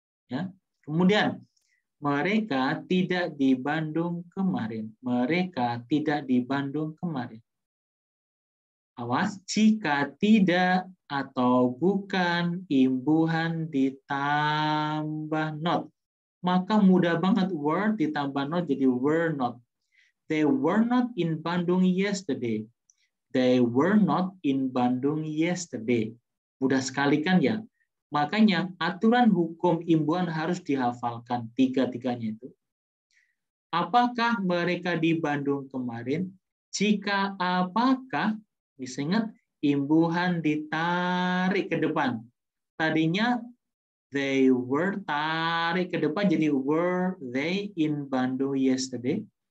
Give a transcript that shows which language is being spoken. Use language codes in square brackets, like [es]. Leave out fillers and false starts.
[id] Ya. Kemudian, mereka tidak di Bandung kemarin. Mereka tidak di Bandung kemarin. Awas, jika tidak atau bukan imbuhan ditambah not. Maka mudah banget, were ditambah not jadi were not. [en] They were not in Bandung yesterday. They were not in Bandung yesterday. [id] Mudah sekali kan ya? Makanya aturan hukum imbuhan harus dihafalkan tiga-tiganya itu. Apakah mereka di Bandung kemarin? Jika apakah, bisa ingat, imbuhan ditarik ke depan. Tadinya [en] they were [id] tarik ke depan, jadi [en] were they in Bandung yesterday?